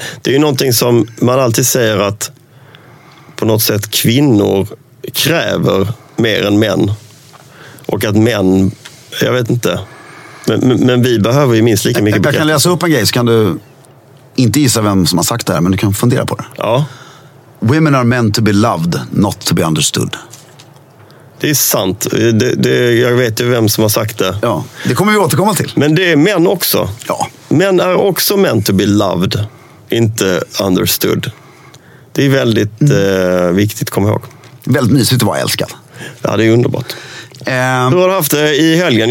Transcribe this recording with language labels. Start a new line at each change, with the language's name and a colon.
Swedish: Det är ju någonting som man alltid säger att på något sätt kvinnor kräver mer än män. Och att män, jag vet inte, men vi behöver ju minst lika mycket bekräftelse. Jag kan läsa upp en grej så kan du inte gissa vem som har sagt det här, men du kan fundera på det. Ja.
English: Women are meant to be loved, not to be understood.
Swedish: Det är sant. Jag vet ju vem som har sagt det. Ja, det kommer vi återkomma till. Men det är män också. Ja. Män är också
English: meant to be loved,
Swedish: inte understood. Det är väldigt viktigt att komma ihåg. Väldigt mysigt att vara älskad. Ja, det är underbart. Hur har du haft det i helgen?